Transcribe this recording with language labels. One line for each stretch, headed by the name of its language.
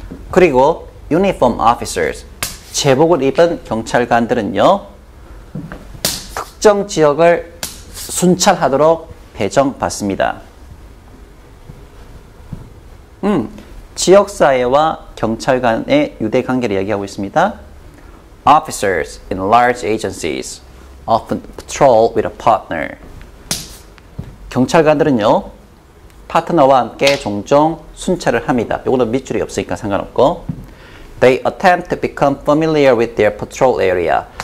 Korean: 그리고 uniform officers, 제복을 입은 경찰관들은요, 특정 지역을 순찰하도록 배정받습니다. 지역사회와 경찰관의 유대관계를 이야기하고 있습니다.
English: Officers in large agencies often patrol with a partner.
Korean: 경찰관들은요, 파트너와 함께 종종 순찰을 합니다. 이거는 밑줄이 없으니까 상관없고.
English: They attempt to become familiar with their patrol area.